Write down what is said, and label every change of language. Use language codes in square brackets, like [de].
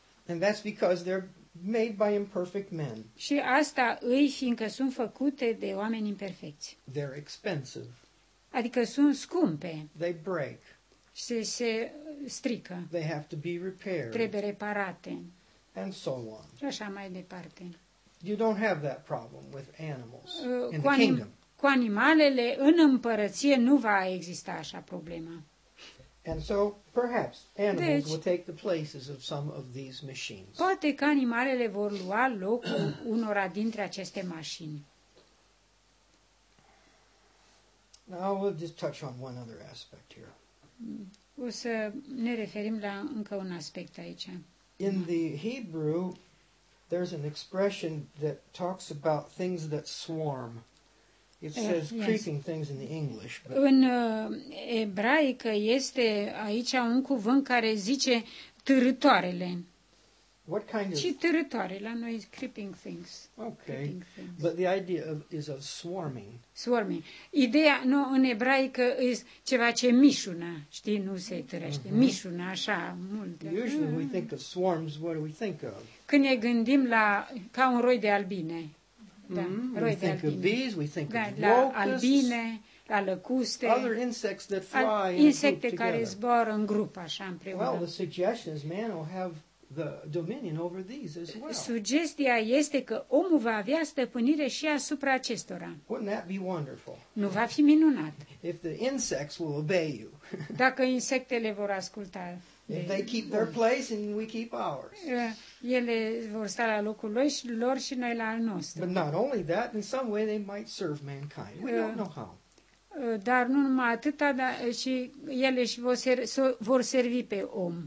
[en] And that's because they're made by imperfect men. [ro] Și asta îi fiindcă sunt făcute de oameni imperfecți. [en] They're expensive. [ro] Adică sunt scumpe. [en] They break. [ro] Se strică. [en] They have to be repaired. [ro] Trebuie reparate. [en] And so on. [ro] Și așa mai departe. [en] You don't have that problem with animals in the kingdom. [ro] Cu animalele în împărăție nu va exista așa problema. [en] And so perhaps animals will take the places of some of these machines. [ro] Poate că animalele vor lua locul unora dintre aceste mașini. [en] Now we'll just touch on one other aspect here. [ro] O să ne referim la încă un aspect aici. [en] In the Hebrew, there's an expression that talks about things that swarm. It says yes. Creeping things in the English. But [ro] în ebraică este aici un cuvânt care zice târătoarele. [en] What kind of? [ro] Și târătoare, la noi [en] creeping things. Okay. Creeping things. But the idea is of swarming. Swarming. [ro] Ideea, nu, în ebraică [en] is [ro] ceva ce mișună, știi, nu se târăște. Mm-hmm. Mișună, așa, multe. [en] Usually we think of swarms, what do we think of? [ro] Când ne gândim la, ca un roi de albine. Da, roi [en] we think [ro] de albine. [en] Of bees, we think [ro] da, [en] of locusts. [ro] La albine, la lăcuste. [en] Other insects that fly in group together. [ro] Insecte care zboară în grup, așa, împreună. [en] Well, the suggestion is man will have the dominion over these as well. [ro] Sugestia este că omul va avea stăpânire și asupra acestora. [en] Wouldn't that be wonderful? [ro] Nu va fi minunat. [en] If the insects will obey you. [ro] Dacă insectele vor asculta. [en] If they keep their place and we keep ours. [ro] Ele vor sta la locul lor și noi la al nostru. [en] But not only that, in some way they might serve mankind. We don't know how. [ro] Dar nu numai atâta, dar și ele și vor servi pe om.